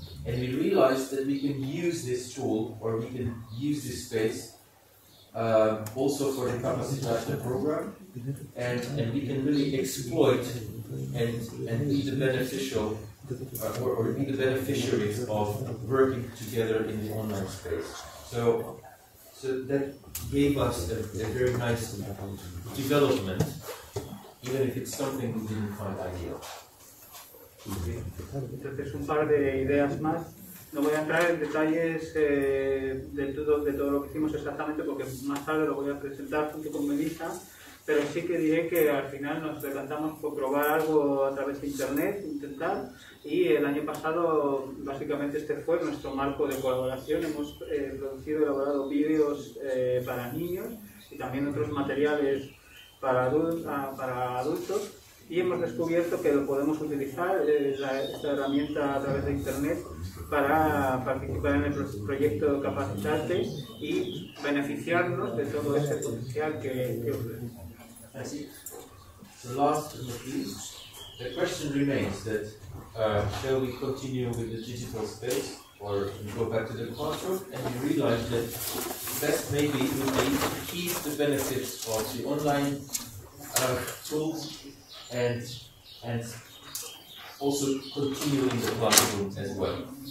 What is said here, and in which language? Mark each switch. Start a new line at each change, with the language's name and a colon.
English: And we realized that we can use this tool or we can use this space also for the capacitation program, and we can really exploit and be the beneficial or be the beneficiaries of working together in the online space. So that gave us a very nice development, even if it's something we didn't find ideal.
Spanish: Entonces, un par de ideas más. No voy a entrar en detalles de todo lo que hicimos exactamente, porque más tarde lo voy a presentar junto con Melissa, pero sí que diré que al final nos decantamos por probar algo a través de internet, intentar, y el año pasado básicamente este fue nuestro marco de colaboración. Hemos producido y elaborado vídeos para niños y también otros materiales para adultos, y hemos descubierto que podemos utilizar esta herramienta a través de internet para participar en el proyecto Capacitarte y beneficiarnos de todo ese potencial que ofrece. Así.
English: The last but not least, the question remains that shall we continue with the digital space or go back to the classroom? And we realize that best maybe would be to keep the benefits of the online tools and also continue in the classroom as well.